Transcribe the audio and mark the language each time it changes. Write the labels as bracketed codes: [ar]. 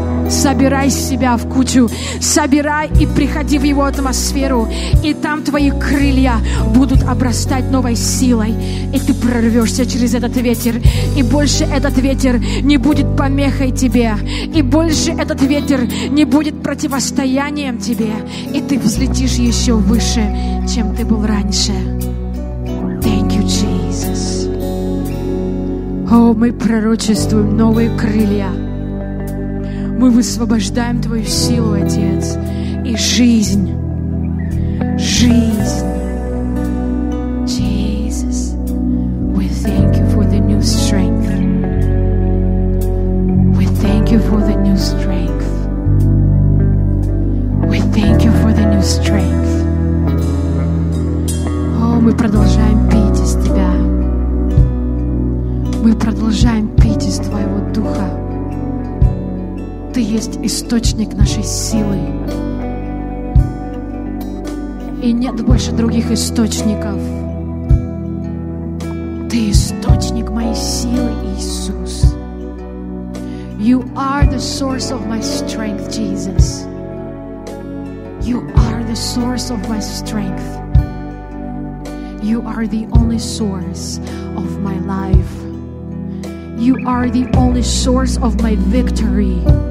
[ru] Собирай себя в кучу, собирай и приходи в его атмосферу, и там твои крылья будут обрастать новой силой, и ты прорвешься через этот ветер, и больше этот ветер не будет помехой тебе, и больше этот ветер не будет противостоянием тебе, и ты взлетишь еще выше, чем ты был раньше. [en] Thank you, Jesus. [ru] О, мы пророчествуем новые крылья. Мы высвобождаем твою силу, Отец, и жизнь, жизнь. [en] Jesus, we thank you for the new strength. We thank you for the new strength. We thank you for the new strength. [ru] О, мы продолжаем пить из тебя. Мы продолжаем пить из твоего духа. Ты есть источник нашей силы. И нет больше других источников. Ты источник моей силы, Иисус. [en] You are the source of my strength, Jesus. You are the source of my strength. You are the only source of my life. You are the only source of my victory.